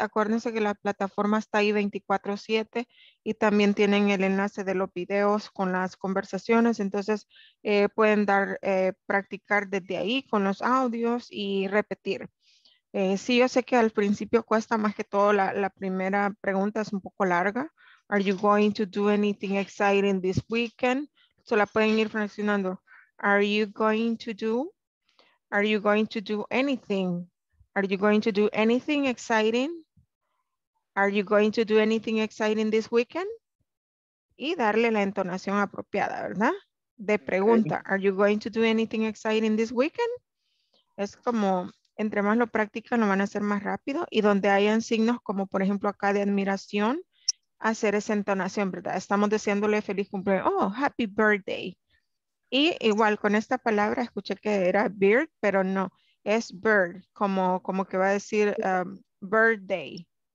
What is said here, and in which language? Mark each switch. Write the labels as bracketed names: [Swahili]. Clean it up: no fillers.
[Spanish] Acuérdense que la plataforma está ahí 24/7 y también tienen el enlace de los videos con las conversaciones. Entonces pueden dar practicar desde ahí con los audios y repetir. Sí, yo sé que al principio cuesta más que todo la primera pregunta es un poco larga. [English] Are you going to do anything exciting this weekend? [Spanish] So la pueden ir fraccionando. [English] Are you going to do? Are you going to do anything? Are you going to do anything exciting? Are you going to do anything exciting this weekend? [Spanish] Y darle la entonación apropiada, ¿verdad? De pregunta. [English] Are you going to do anything exciting this weekend? [Spanish] Es como, entre más lo practican, lo van a hacer más rápido. Y donde hayan signos, como por ejemplo acá de admiración, hacer esa entonación, ¿verdad? Estamos deseándole feliz cumpleaños. [English] Oh, happy birthday. [Spanish] Y igual con esta palabra escuché que era beard, pero no, es bird, como que va a decir birthday.